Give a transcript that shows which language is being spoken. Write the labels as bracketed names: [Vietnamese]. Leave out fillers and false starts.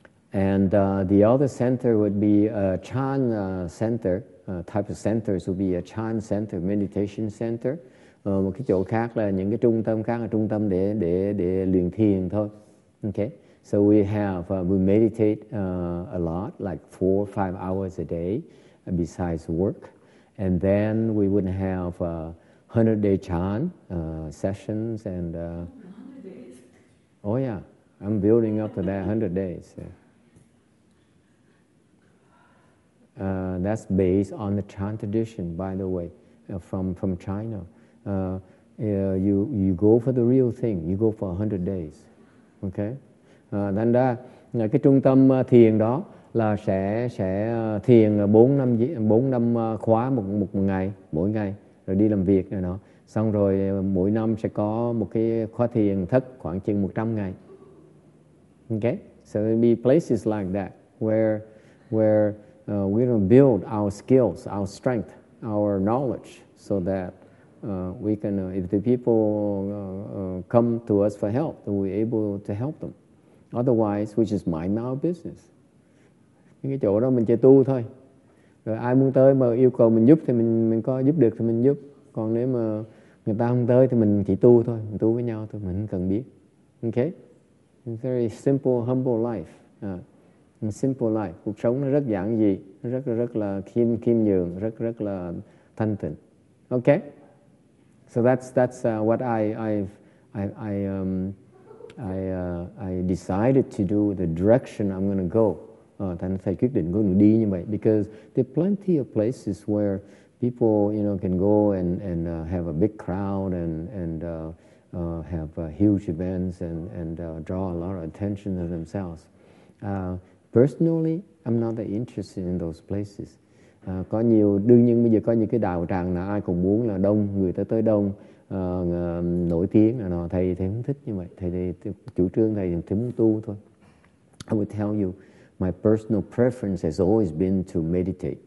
[English] And the other center would be a Chan center. Type of centers would be a Chan center, meditation center. [Vietnamese] Một cái chỗ khác là những cái trung tâm khác là trung tâm để luyện thiền thôi. [English] Okay. So we have we meditate a lot, like 4 or 5 hours a day, besides work, and then we would have 100 day chan sessions and. 100 days. Oh yeah, I'm building up to that 100 days. Yeah. That's based on the Chan tradition, by the way, from China. You go for the real thing. You go for 100 days, okay? [Vietnamese] Thành ra cái trung tâm thiền đó là sẽ thiền 4 năm khóa một ngày, mỗi ngày rồi đi làm việc này nọ, xong rồi mỗi năm sẽ có một cái khóa thiền thất khoảng chừng 100 ngày. [English] Okay, so there'll be places like that where we're going to build our skills, our strength, our knowledge, so that we can if the people come to us for help, then we're able to help them. Otherwise, we just mind our business. [Vietnamese] Những cái chỗ đó mình chơi tu thôi. Rồi ai muốn tới mà yêu cầu mình giúp thì mình có giúp được thì mình giúp. Còn nếu mà người ta không tới thì mình chỉ tu thôi. Mình tu với nhau thôi, mình không cần biết. [English] Okay? A very simple, humble life. Simple life. [Vietnamese] Cuộc sống nó rất giản dị. Rất rất là khiêm nhường. Rất rất là thanh tịnh. Okay? [English] So that's what I decided to do, the direction I'm going to go. [Vietnamese] Thành thầy quyết định con đường đi như vậy, [English] because there are plenty of places where people, you know, can go and have a big crowd and have huge events and draw a lot of attention to themselves. Personally, I'm not that interested in those places. [Vietnamese] Có nhiều, đương nhiên bây giờ có những cái đạo tràng là ai cũng muốn là đông, người ta tới đông. Nổi tiếng là nó thầy không thích như vậy, thầy chủ trương thầy muốn tu thôi. [English] I would tell you, my personal preference has always been to meditate.